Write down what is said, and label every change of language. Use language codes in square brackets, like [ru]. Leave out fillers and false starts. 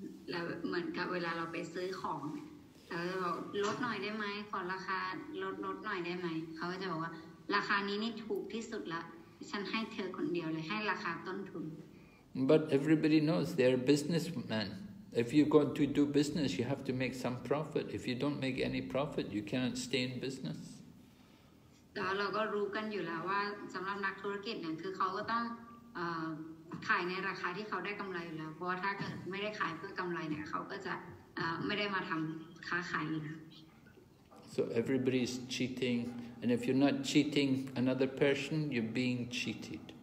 [th] แล้วเหมือนกับเวลาเราไปซื้อของเราจะบอกลดหน่อยได้ไหมขอราคาลดหน่อยได้ไหมเขาก็จะบอกว่าราคานี้นี่ถูกที่สุดละฉันให้เธอคนเดียวเลยให้ราคาต้นทุน [en] But everybody knows they're businessmen. If you go to do business, you have to make some profit. If you don't make any profit, you cannot stay in business. [th] แล้วเราก็รู้กันอยู่แล้วว่าสำหรับนักธุรกิจเนี่ยคือเขาก็ต้องขายในราคาที่เขาได้กำไรอยู่แล้วเพราะถ้าเกิดไม่ได้ขายเพื่อกำไรเนี่ยเขาก็จะไม่ได้มาทำค้าขาย [en] So everybody's cheating, and if you're not cheating another person, you're being cheated.